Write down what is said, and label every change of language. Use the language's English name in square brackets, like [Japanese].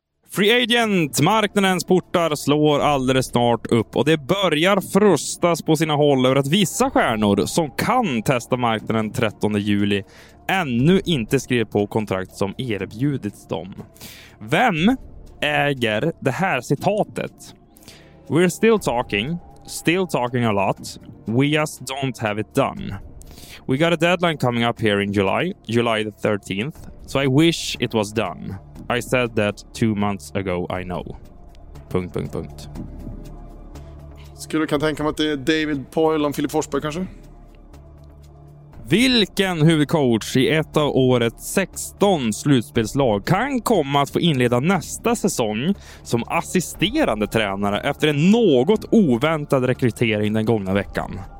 [Swedish] Free agent, marknadens portar slår alldeles snart upp och det börjar frustas på sina håll över att vissa stjärnor som kan testa marknaden 13 juli ännu inte skrev på kontrakt som erbjudits dem. Vem äger det här citatet? [English] We're still talking a lot, we just don't have it done. We got a deadline coming up here in July, July the 13th, so I wish it was done. I said that 2 months ago, I know. [Swedish] Punkt, punkt, punkt. Skulle du kunna tänka mig att det är David Poyle och Filip Forsberg kanske? Vilken huvudcoach i ett av årets 16 slutspelslag kan komma att få inleda nästa säsong som assisterande tränare efter en något oväntad rekrytering den gångna veckan?